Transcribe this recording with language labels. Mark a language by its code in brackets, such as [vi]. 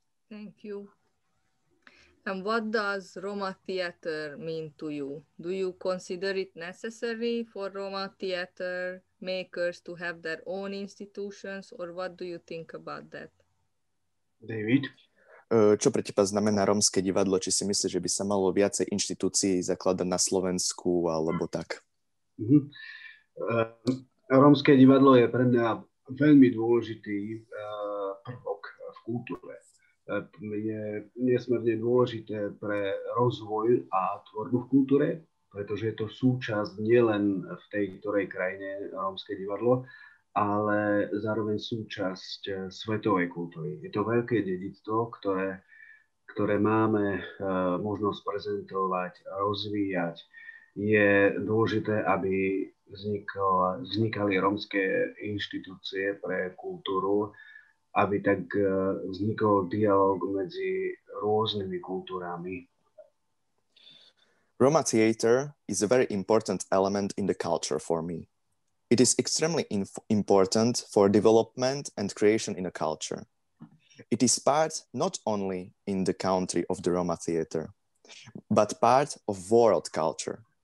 [en] Thank you. And what does Roma theater mean to you? Do you consider it necessary for Roma theater makers to have their own institutions, or what do you think about that? David? [sk] Čo pre teba znamená romské divadlo? Či si myslíš, že by sa malo viacej inštitúcií zakladať na Slovensku alebo tak? Romské divadlo je pre mňa veľmi dôležitý prvok v kultúre. Je nesmierne dôležité pre rozvoj a tvorbu v kultúre, pretože je to súčasť nielen v tej ktorej krajine romské divadlo, ale zároveň súčasť svetovej kultúry. Je to veľké dedičstvo, ktoré máme možnosť prezentovať, rozvíjať. Je dôležité, aby vznikali romské inštitúcie pre kultúru, aby tak vznikol dialog medzi rôznymi kultúrami. [en] Roma theater is a very important element in the culture for me. It is extremely important for development and creation in a culture. It is part not only in the country of the Roma theater, but part of world culture.